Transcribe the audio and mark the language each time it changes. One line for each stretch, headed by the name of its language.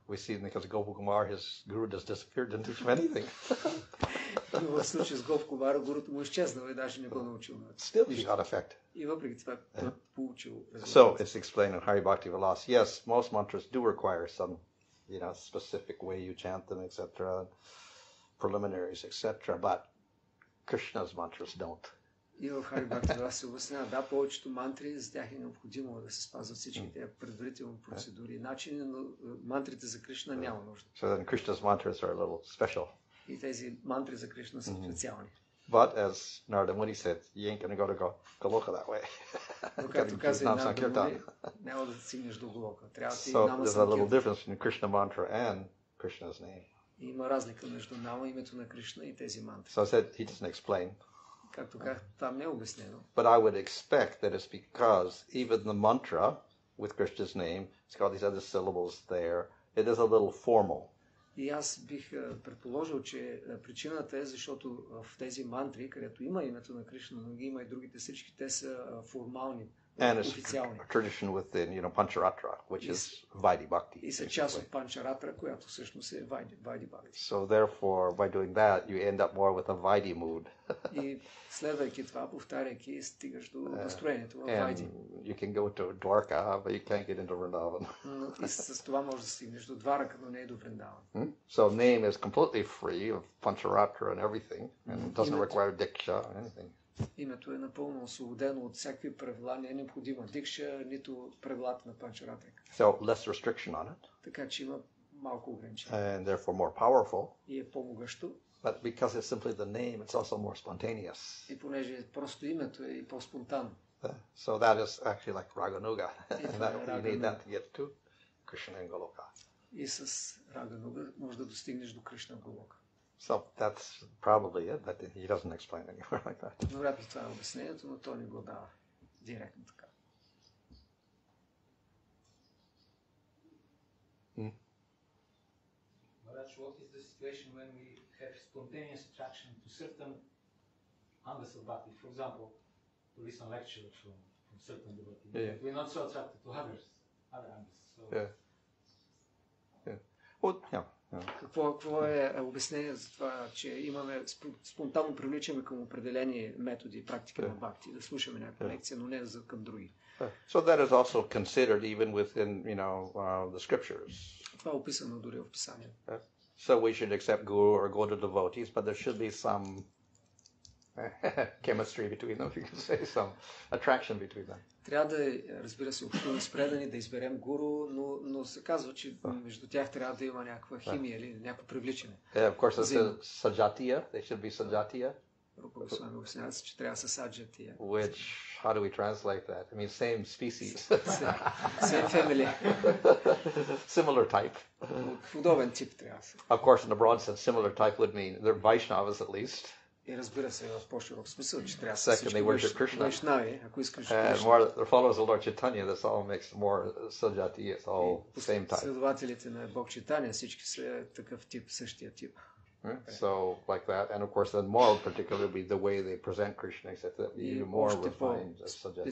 English: We see because Gopakumar, his guru just disappeared, didn't teach him anything.
Bulgarian: Но в случая с Гопакумара, гурута му изчезнал и даже не го научил.
English: Still he got effect.
Bulgarian: И въпреки това, получил резултат.
English: So it's explained in Hari Bhakti Vilas. Yes, most mantras do require some, you know, specific way you chant them, etc. Preliminaries, etc. But Krishna's mantras don't.
Bulgarian: И в Хари Бхакти Вилас се обяснява, да, повечето мантри, за тях е необходимо да се спазват всички тези предварителни процедури и начини, но мантрите за Кришна няма нужда.
English: So then Krishna's mantras are a little special.
Bulgarian: И тези мантри за Кришна са специални.
English: But as Narada Muni said, you ain't gonna go to Goloka that way.
Bulgarian: Но както каза и Narada Muni, няма да стигнеш до Голока. Трябва ти и нама санкирта.
English: So there's a little difference between Krishna mantra and Krishna's name.
Bulgarian: И има разлика между нама, името на Кришна и тези мантри.
English: So I said, he doesn't explain.
Bulgarian: Както как там не е обяснено.
English: But I would expect that it's because even the mantra with Krishna's name, it's got these other syllables there, it is a little formal.
Bulgarian: И аз бих предположил, че причината е, защото в тези мантри, където има името на Кришна, но ги има и другите всички, те са формални,
English: And it's a tradition within, you know, Pancharatra, which is Vaidhi Bhakti. It's a
Bulgarian: част от Pancharatra, която всъщност е Vaidhi Bhakti.
English: So therefore, by doing that, you end up more with a Vaidhi mood.
Bulgarian: И следвайки това, повтаряйки, стигаш до настроението в Vaidhi.
English: And you can go to Dwarka, but you can't get into Vrindavan.
Bulgarian: И с това можеш да стигнеш до Dwarka, но не до Vrindavan.
English: So name is completely free of Pancharatra and everything, and doesn't require Diksha or anything.
Bulgarian: Името е напълно освободено от всякакви правила, не е необходима дикша, нито правилата на Панчаратрика.
English: So less restriction on it.
Bulgarian: Така че има малко ограничение.
English: And therefore more powerful.
Bulgarian: И е по-могъщо.
English: But because it's simply the name, it's also more spontaneous.
Bulgarian: И понеже просто името е и по-спонтанно.
English: So that is actually like Рагануга. You need that to get to Кришна Голока.
Bulgarian: И с Рагануга може да достигнеш до Кришна Голока.
English: So that's probably it, but he doesn't explain anywhere like that.
Bulgarian: Но обяснението, но той не го дава директно така.
English: Maharaj, what is the situation when we have spontaneous attraction to certain Angasabhati, for example, to listen lecture from certain devotees? Yeah. We're not so attracted to others, other Angas. So. Yeah. Yeah. Well, yeah.
Bulgarian: Какво е обяснение за това, че имаме спонтанно привличаме към определени методи и практики на бхакти, да слушаме някаква лекция, но не за към други.
English: So that is also considered even within, you know, the scriptures.
Bulgarian: Това е описано дори в писание.
English: So we should accept guru or go to devotees, but there should be some chemistry between them, if you can say some attraction between them.
Bulgarian: Трябва да, разбира се, общуваме с предани, да изберем гуру, но се казва, че между тях трябва да има някаква химия или някакво привличане.
English: Yeah, of course, it's саджатия. They should be саджатия.
Bulgarian: Рупагасвами обяснява се, че трябва са саджатия.
English: Which, how do we translate that? I mean, same species. Same family. Similar type.
Bulgarian: Подобен тип трябва се.
English: Of course, in a broad sense, similar type would mean they're Vaishnavas at least.
Bulgarian: И разбира се, в по-широк смисъл, че трябва
English: Second,
Bulgarian: да се всички вишнави, ако искаш Кришна.
English: And the followers of Lord Chaitanya, this all makes more саджати, it's all same type.
Bulgarian: Следователите на Бог Чайтанья, всички са такъв тип, същия тип.
English: So, like that, and of course, then more particularly the way they present Krishna, except that be more refined as саджати.